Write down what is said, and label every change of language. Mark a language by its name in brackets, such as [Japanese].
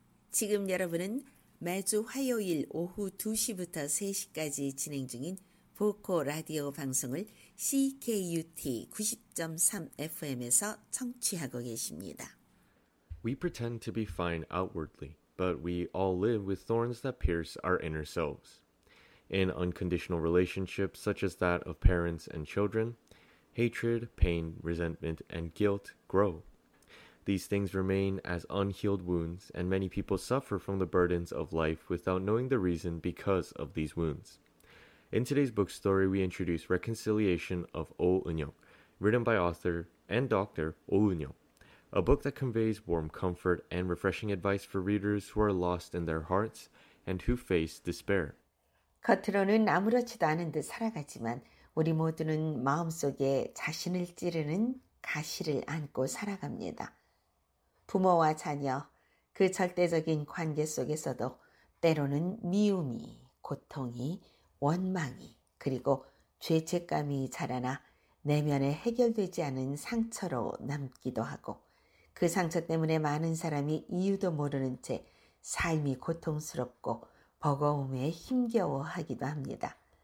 [Korean] 지금 여러분은 매주 화요일 오후 2시부터 3시까지 진행 중인 보코 라디오 방송을 CKUT 90.3 FM에서 청취하고 계십니다. [English] We pretend to be fine outwardly, but we all live with thorns that pierce our inner selves. In unconditional relationships such as that of parents and children, hatred, pain, resentment, and guilt grow. These things remain as unhealed wounds, and many people suffer from the burdens of life without knowing the reason because of these wounds. In today's book story, we introduce Reconciliation of Oh Eun-hyuk, written by author and doctor Oh Eun-hyuk, a book that conveys warm comfort and refreshing advice for readers who are lost in their hearts and who face despair. [Korean] 겉으로는 아무렇지도 않은 듯 살아가지만 우리 모두는 마음속에 자신을 찌르는 가시를 안고 살아갑니다. 부모와 자녀, 그 절대적인 관계 속에서도 때로는 미움이, 고통이, 원망이, 그리고 죄책감이 자라나 내면에 해결되지 않은 상처로 남기도 하고 그 상처 때문에 많은 사람이 이유도 모르는 채 삶이 고통스럽고 버거움에 힘겨워하기도 합니다.